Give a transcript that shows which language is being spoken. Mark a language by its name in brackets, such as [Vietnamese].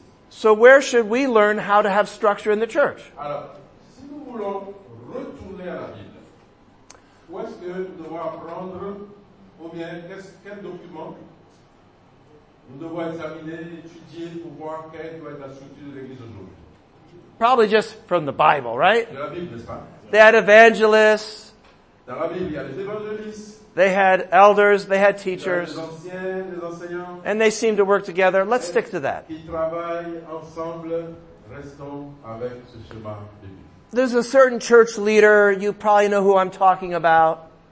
[English] So where should we learn how to have structure in the church? [French] Retourner à la Bible. Où est-ce que nous devons apprendre ou bien quel document nous devons examiner, étudier pour voir quelle doit être la structure de l'Église aujourd'hui? [English] Probably just from the Bible, right? [French] De la Bible, n'est-ce pas? [English] They had evangelists. [French] Dans la Bible, il y a les évangélistes. [English] They had elders, they had teachers. [French] Les anciens, [English] and they seemed to work together. Let's stick to that. [French] Ils travaillent ensemble, restons avec ce chemin de vie. [English] There's a certain church leader, you probably know who I'm talking about.